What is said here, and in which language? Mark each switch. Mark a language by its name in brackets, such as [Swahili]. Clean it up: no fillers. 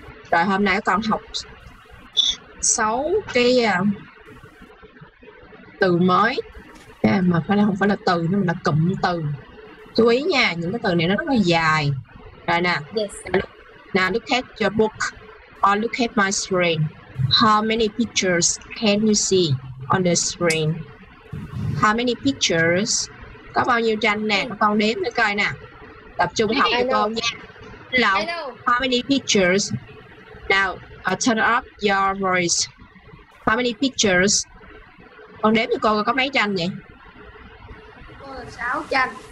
[Vietnamese] Rồi, hôm nay con học 6 cái từ mới, mà phải là, không phải là từ, nó là cụm từ. Chú ý nha, những cái từ này nó rất là dài. Rồi nè, [English] now look at your book, or look at my screen. How many pictures can you see on the screen? How many pictures? [Vietnamese] Có bao nhiêu tranh nè? Con đếm nữa coi nè. Tập trung học cho con nha. [English] Hello. How many pictures? Now, turn up your voice. How many pictures? [Vietnamese] Con đếm cho con có mấy tranh vậy? Cô là 6 tranh.